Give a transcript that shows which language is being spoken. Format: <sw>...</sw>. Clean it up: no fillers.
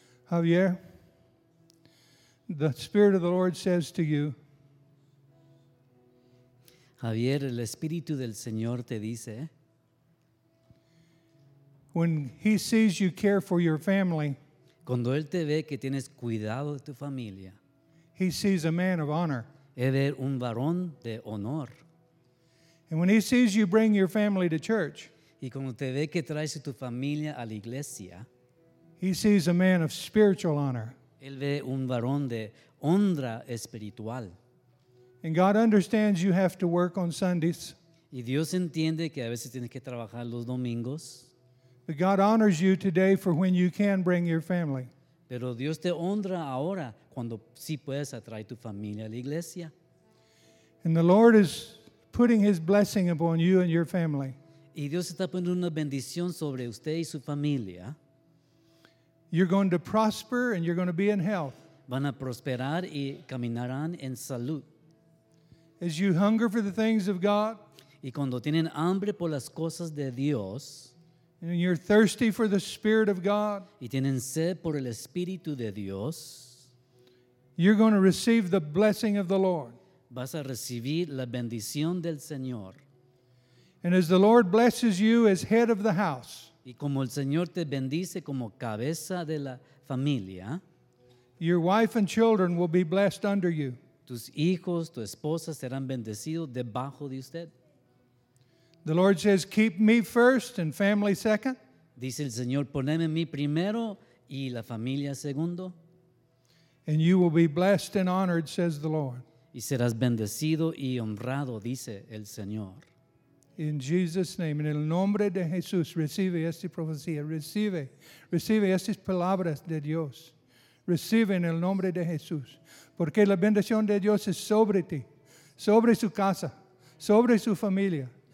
<es>Si.</es> <en>Javier, the Spirit of the Lord says to you.</en> <es>Javier, el Espíritu del Señor te dice.</es> <en>When he sees you care for your family.</en> <es>Cuando él te ve que tienes cuidado de tu familia.</es> <en>He sees a man of honor.</en> <es>Él ve un varón de honor.</es> <en>And when he sees you bring your family to church,</en> <es>y cuando te ve que traes a tu familia a la iglesia,</es> <en>he sees a man of spiritual honor.</en> <es>Él ve un varón de honra espiritual.</es> <en>And God understands you have to work on Sundays.</en> <es>Y Dios entiende que a veces tienes que trabajar los domingos.</es> <en>But God honors you today for when you can bring your family.</en> <es>Pero Dios te honra ahora cuando sí puedes atraer tu familia a la iglesia.</es> <en>And the Lord is putting his blessing upon you and your family.</en> <es>y Dios está poniendo una bendición sobre usted y su familia.</es> <en>You're going to prosper and you're going to be in health.</en> <es>Van a prosperar y caminarán en salud.</es> <en>As you hunger for the things of God,</en> <es>y cuando tienen hambre por las cosas de Dios,</es> <en>and you're thirsty for the Spirit of God,</en> <es>y tienen sed por el Espíritu de Dios,</es> <en>you're going to receive the blessing of the Lord.</en> <es>Vas a recibir la bendición del Señor.</es> <en>And as the Lord blesses you as head of the house,</en> <es>y como el Señor te bendice como cabeza de la familia,</es> <en>your wife and children will be blessed under you.</en> <es>Tus hijos, tu esposa serán bendecidos debajo de usted.</es> <en>The Lord says, keep me first and family second.</en> <es>Dice el Señor, poneme en mí primero y la familia segundo.</es> <en>And you will be blessed and honored, says the Lord.</en> <es>Y serás bendecido y honrado, dice el Señor.</es> <en>In Jesus' name,</en> <es>en el nombre de Jesús, recibe esta profecía, recibe estas palabras de Dios. Recibe en el nombre de Jesús, porque la bendición de Dios es sobre ti, sobre su casa, sobre su familia.</es>